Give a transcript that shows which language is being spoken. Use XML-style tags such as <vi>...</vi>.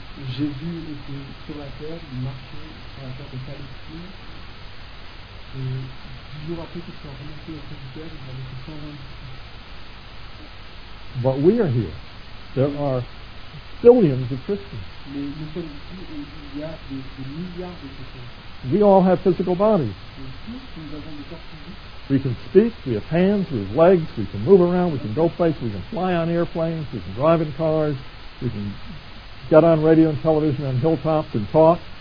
<fr>Jésus était sur la terre, il marchait sur la terre de Palestine. Et 10 jours après qu'il soit remonté au sein du Père, il avait 120 disciples.</fr> <en>But we are here. There are billions of Christians.</en> <fr>Mais nous sommes ici et il y a des milliards de Christians.</fr> <en>We all have physical bodies. We can speak, we have hands, we have legs, we can move around, we can go places, we can fly on airplanes, we can drive in cars, we can get on radio and television on hilltops and talk.</en>